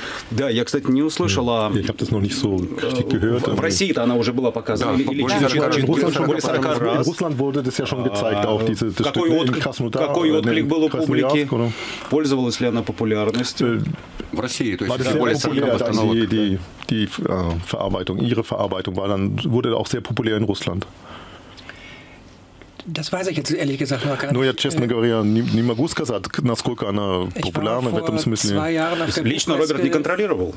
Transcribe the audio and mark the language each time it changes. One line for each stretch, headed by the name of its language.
Russian: Да, я, кстати, не услышал, в России-то она уже была показана. Какой отклик был у публики? Пользовалась ли она популярностью? В России, то есть более 40 постановок.
German: Die Verarbeitung, ihre Verarbeitung war dann, wurde auch sehr populär in Russland. Das weiß ich jetzt ehrlich gesagt noch gar nicht.
Russian: Ну, я, честно говоря, не могу сказать, насколько она популярна в этом смысле. Лично Роберт не контролировал.